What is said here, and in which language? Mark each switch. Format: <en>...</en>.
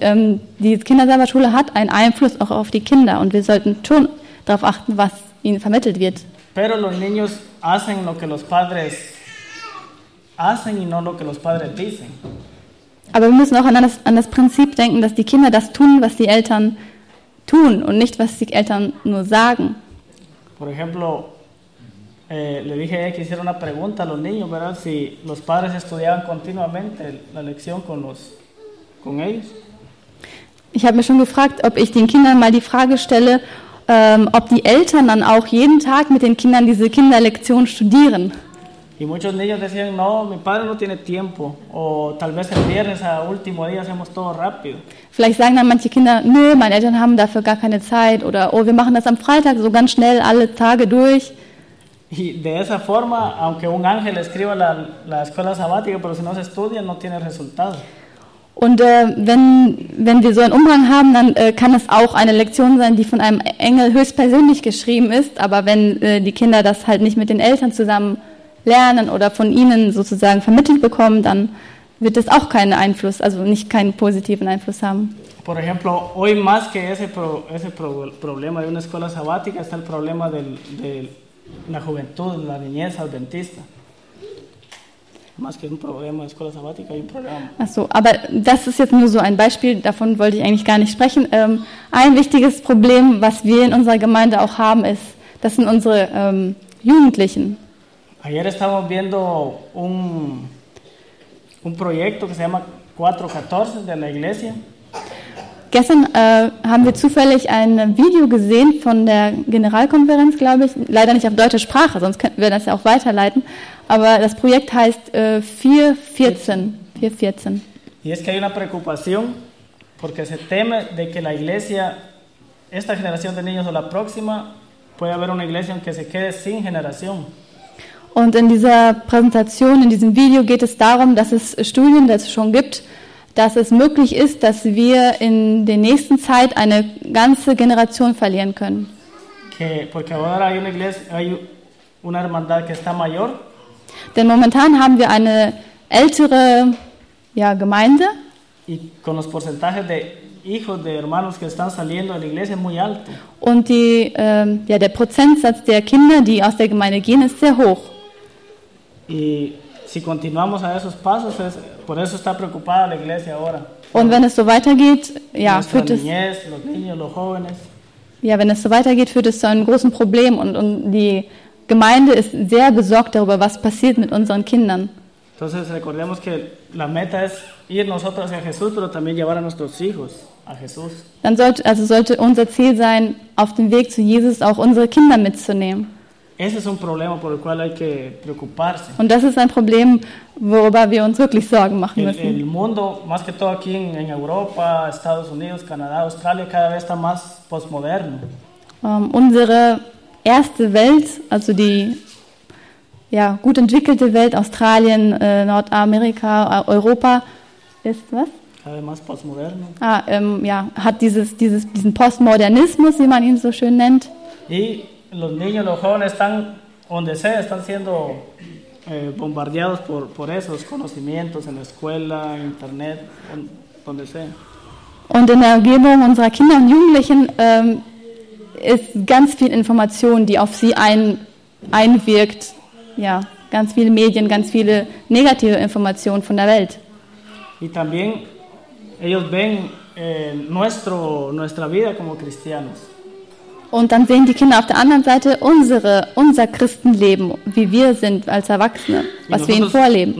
<de>Die Kindersabbatschule hat einen Einfluss auch auf die Kinder und wir sollten schon darauf achten, was ihnen vermittelt wird.</de> <es>Pero los niños hacen lo que los padres hacen y no lo que los padres dicen.</es> <de>Aber wir müssen auch an das Prinzip denken, dass die Kinder das tun, was die Eltern tun und nicht, was die Eltern nur sagen.</de> <es>Por ejemplo, le dije que hiciera una pregunta a los niños, ¿verdad? Si los padres estudiaban continuamente la lección con ellos.</es> <de>Ich habe mir schon gefragt, ob ich den Kindern mal die Frage stelle, ob die Eltern dann auch jeden Tag mit den Kindern diese Kinderlektion studieren.</de> <es>Y muchos niños decían, no, mi padre no tiene tiempo. O tal vez el viernes a último día hacemos todo rápido.</es> <de>Vielleicht sagen dann manche Kinder, nö, meine Eltern haben dafür gar keine Zeit. Oder, oh, wir machen das am Freitag so ganz schnell alle Tage durch.</de> <es>Y de esa forma, aunque un ángel escriba la escuela sabática, pero si no se estudia, no tiene resultado.</es> <de>Und wenn wir so einen Umgang haben, dann kann es auch eine Lektion sein, die von einem Engel höchstpersönlich geschrieben ist. Aber wenn die Kinder das halt nicht mit den Eltern zusammen lernen oder von ihnen sozusagen vermittelt bekommen, dann wird es auch keinen Einfluss, also nicht keinen positiven Einfluss haben.</de> <es>Por ejemplo, hoy más que ese problema de una escuela sabática está el problema de la juventud, la niñez adventista. Más que un problema de escuela sabática, hay un problema.</es> <de>Achso, aber das ist jetzt nur so ein Beispiel, davon wollte ich eigentlich gar nicht sprechen. Ein wichtiges Problem, was wir in unserer Gemeinde auch haben, ist, das sind unsere Jugendlichen.</de> <es>Ayer estábamos viendo un proyecto que se llama 414 de la iglesia.</es> <de>Gestern haben wir zufällig ein Video gesehen von der Generalkonferenz, glaube ich. Leider nicht auf deutsche Sprache, sonst könnten wir das ja auch weiterleiten. Aber das Projekt heißt 414.</de> <es>Y es que hay una preocupación porque se teme de que la iglesia, esta generación de niños o la próxima, puede haber una iglesia que se quede sin generación.</es> <de>Und in dieser Präsentation, in diesem Video geht es darum, dass es Studien dazu schon gibt, dass es möglich ist, dass wir in der nächsten Zeit eine ganze Generation verlieren können.</de> <es>Que, porque ahora hay una iglesia, hay una hermandad que está mayor.</es> <de>Denn momentan haben wir eine ältere Gemeinde.</de> <es>Y con los porcentajes de hijos de hermanos que están saliendo de la iglesia es muy alto.</es> <de>Und die, der Prozentsatz der Kinder, die aus der Gemeinde gehen, ist sehr hoch.</de> <es>Y si continuamos a esos pasos, por eso está preocupada la iglesia ahora.</es> <de>Und wenn es so weitergeht, führt es.</de> <es>Niñez, los niños, los jóvenes.</es> <de>Ja, wenn es so weitergeht, führt es zu einem großen Problem und die Gemeinde ist sehr besorgt darüber, was passiert mit unseren Kindern.</de> <es>Entonces recordemos que la meta es ir nosotros hacia Jesús, pero también llevar a nuestros hijos a Jesús.</es> <de>Dann sollte unser Ziel sein, auf dem Weg zu Jesus auch unsere Kinder mitzunehmen.</de> <es>Ese es un problema por el cual hay que preocuparse.</es> <de>Und das ist ein Problem, worüber wir uns wirklich Sorgen machen müssen.</de> <es>El mundo, más que todo aquí en Europa, Estados Unidos, Canadá, Australia, cada vez está más postmoderno.</es> <de>Unsere erste Welt, also die gut entwickelte Welt, Australien, Nordamerika, Europa, ist was?</de> <es>Cada vez más postmoderno.</es> <de>Hat diesen Postmodernismus, wie man ihn so schön nennt.</de> <es>Los niños, los jóvenes están donde sea, están siendo bombardeados por esos conocimientos en la escuela, internet, donde sea.</es> <de>Und in der Umgebung unserer Kinder und Jugendlichen ist ganz viel Information, die auf sie einwirkt. Ja, ganz viele Medien, ganz viele negative Informationen von der Welt.</de> <es>Y también ellos ven nuestra vida como cristianos.</es> <de>Und dann sehen die Kinder auf der anderen Seite unser Christenleben, wie wir sind als Erwachsene, was wir ihnen vorleben.</de>